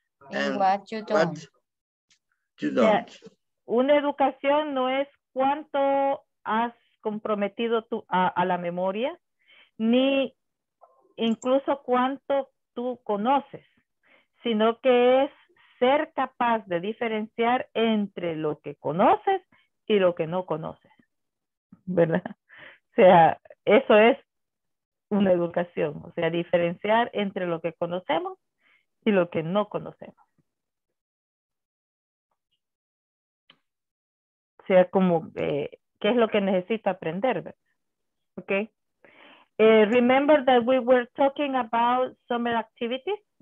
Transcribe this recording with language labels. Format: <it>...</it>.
<en>Between what you know and what you don't. Yeah.</en> <es>Una educación no es cuánto has comprometido tú a la memoria, ni incluso cuánto tú conoces, sino que es ser capaz de diferenciar entre lo que conoces y lo que no conoces, ¿verdad? O sea, eso es una educación, o sea, diferenciar entre lo que conocemos y lo que no conocemos. O sea, como, ¿qué es lo que necesito aprender? ¿Ok?</es> <en>Remember that we were talking about summer activities.</en>